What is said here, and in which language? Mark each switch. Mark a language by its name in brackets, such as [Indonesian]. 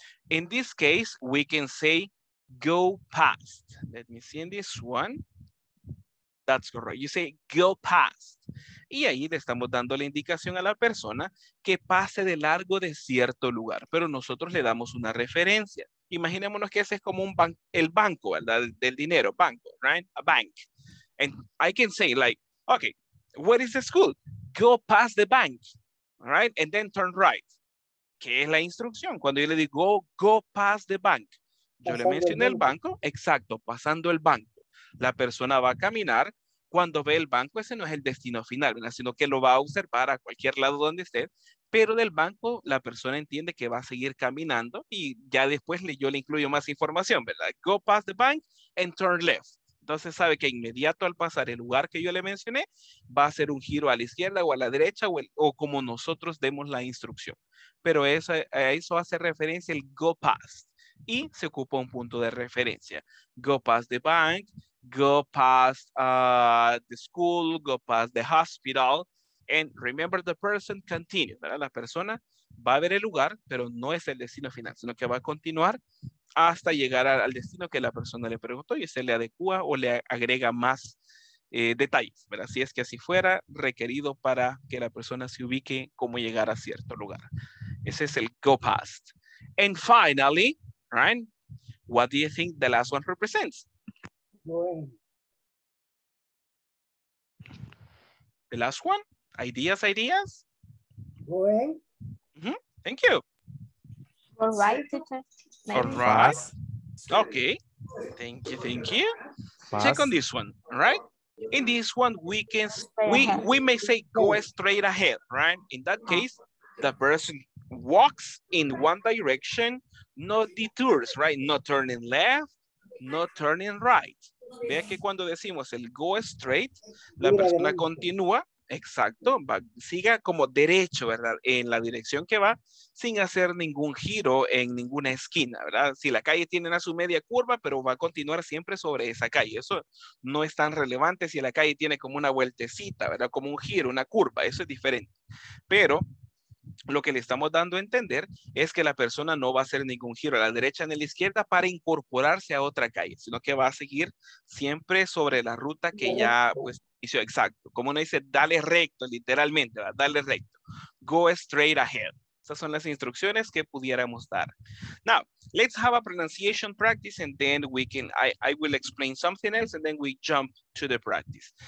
[English] In this case, we can say go past. Let me see in this one. That's correct. You say go past. [Spanish] Y ahí le estamos dando la indicación a la persona que pase de largo de cierto lugar. Pero nosotros le damos una referencia. Imaginémonos que ese es como el banco, ¿verdad? Del dinero. Banco, [English] right? A bank. And I can say like, okay, where is the school? Go past the bank. All right, and then turn right. [Spanish] ¿Qué es la instrucción? Cuando yo le digo, [English] go past the bank. [Spanish] Yo le mencioné el banco. Exacto, pasando el banco. La persona va a caminar. Cuando ve el banco, ese no es el destino final, ¿verdad? Sino que lo va a observar a cualquier lado donde esté. Pero del banco, la persona entiende que va a seguir caminando y ya después yo le incluyo más información, ¿verdad? [English] Go past the bank and turn left. [Spanish] Entonces sabe que inmediato al pasar el lugar que yo le mencioné, va a hacer un giro a la izquierda o a la derecha o como nosotros demos la instrucción. Pero a eso hace referencia el go past y se ocupa un punto de referencia. Go past the bank, go past the school, go past the hospital. [English] And remember the person continues, [Spanish] ¿verdad? La persona va a ver el lugar, pero no es el destino final, sino que va a continuar hasta llegar al destino que la persona le preguntó y se le adecua o le agrega más detalles, ¿verdad? Si es que así fuera, requerido para que la persona se ubique cómo llegar a cierto lugar. Ese es el go past. [English] And finally, right? What do you think the last one represents? Going. The last one? Ideas, ideas? Buen. Mm-hmm. Thank you. All right, teacher. All right. Okay. Thank you, thank you. Pass. Check on this one, all right? In this one, we can, we may say go straight ahead, right? In that case, the person walks in one direction, no detours, right? No turning left, no turning right. [Spanish] Vea que cuando decimos el go straight, la persona continúa, exacto, va, siga como derecho, ¿verdad? En la dirección que va, sin hacer ningún giro en ninguna esquina, ¿verdad? Si la calle tiene a su media curva, pero va a continuar siempre sobre esa calle. Eso no es tan relevante si la calle tiene como una vueltecita, ¿verdad? Como un giro, una curva, eso es diferente. Pero lo que le estamos dando a entender es que la persona no va a hacer ningún giro a la derecha ni a la izquierda para incorporarse a otra calle, sino que va a seguir siempre sobre la ruta que ya pues hizo, exacto, como uno dice, dale recto, literalmente, ¿verdad? Dale recto, [English] go straight ahead. [Spanish] Estas son las instrucciones que pudiéramos dar. [English] Now, let's have a pronunciation practice and then we can, I will explain something else and then we jump to the practice.